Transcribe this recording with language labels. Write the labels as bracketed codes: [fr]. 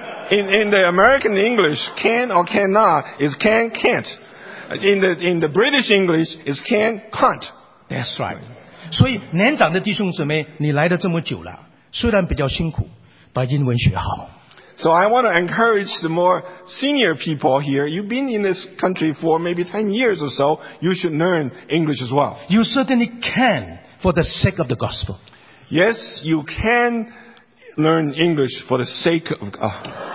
[en] In the American English, can or cannot is can, can't. In the British English, is can, can't. That's right. [zh] 所以年长的弟兄姊妹，你来的这么久了，虽然比较辛苦，把英文学好。 [en] So I want to encourage the more senior people here. You've been in this country for maybe 10 years or so. You should learn English as well. You certainly can for the sake of the gospel. Yes, you can learn English for the sake of God.